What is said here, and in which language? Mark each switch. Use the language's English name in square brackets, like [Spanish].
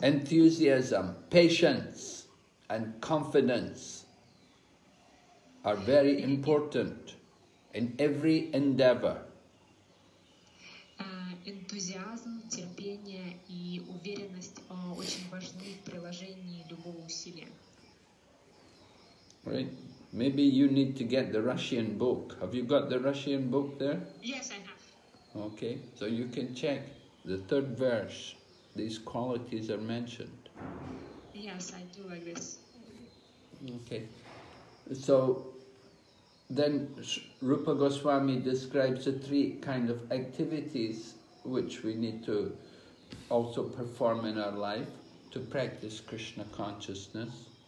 [English] Enthusiasm, patience, and confidence are very important in every endeavor. [Russian] Энтузиазм, терпение и уверенность очень важны в приложении любого усилия. [English] Right. Maybe you need to get the Russian book. Have you got the Russian book there? Yes, I have. Okay, so you can check the third verse. These qualities are mentioned. Yes, I do like this. Okay, so then Rupa Goswami describes the three kind of activities which we need to also perform in our life to practice Krishna consciousness.